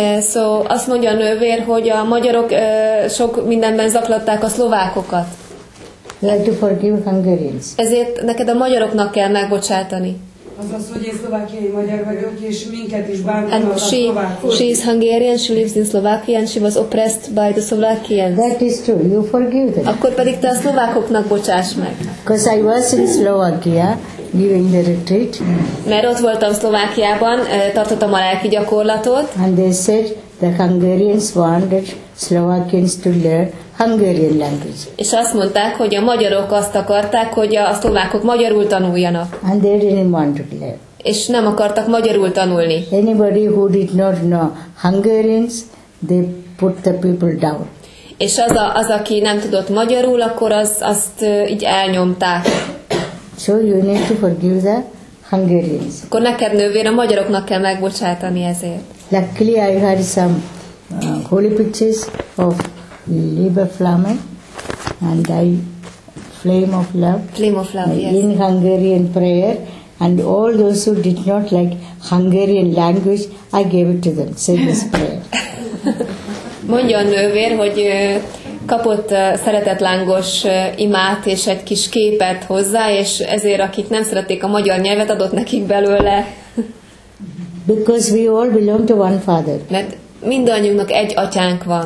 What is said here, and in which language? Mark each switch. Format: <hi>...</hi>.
<hu>So, azt mondja a nővér, hogy a magyarok sok mindenben zaklatták a szlovákokat.</hu> <en>Like to forgive Hungarians.</en> <hu>Ezért neked a magyaroknak kell megbocsátani. Azaz, hogy én szlovákiai magyar vagyok, és minket is bántanak a szlovákok.</hu> <en>She is Hungarian, she lives in Slovakia, and she was oppressed by the Slovakians. That is true, you forgive them.</en> <hu>Akkor pedig te a szlovákoknak bocsáss meg.</hu> <en>Because I was in Slovakia, giving the retreat.</en> <hu>Mert ott voltam Szlovákiában, tartottam a lelki gyakorlatot.</hu> <en>And they said the Hungarians wanted Slovakians to learn Hungarian language.</en> <hu>És azt mondták, hogy a magyarok azt akarták, hogy a szlovákok magyarul tanuljanak.</hu> <en>And they didn't want to learn.</en> <hu>És nem akartak magyarul tanulni.</hu> <en>Anybody who did not know Hungarians, they put the people down.</en> <hu>És az, aki nem tudott magyarul, akkor azt így elnyomták.</hu> <en>So you need to forgive the Hungarians.</en> <hu>Akkor neked, nővér, a magyaroknak kell megbocsátani ezért.</hu> <en>Luckily I had some holy pictures of Liebe Flamme and I flame of love. Flame of love, yes. In Hungarian prayer, and all those who did not like Hungarian language, I gave it to them. Say this prayer.</en> <hu>Mondja a nővér, hogy kapott szeretetlángos imát és egy kis képet hozzá, és ezért, akik nem szerették a magyar nyelvet, adott nekik belőle.</hu> <en>Because we all belong to one father.</en> <hu>Mert mindannyiunknak egy atyánk van.</hu>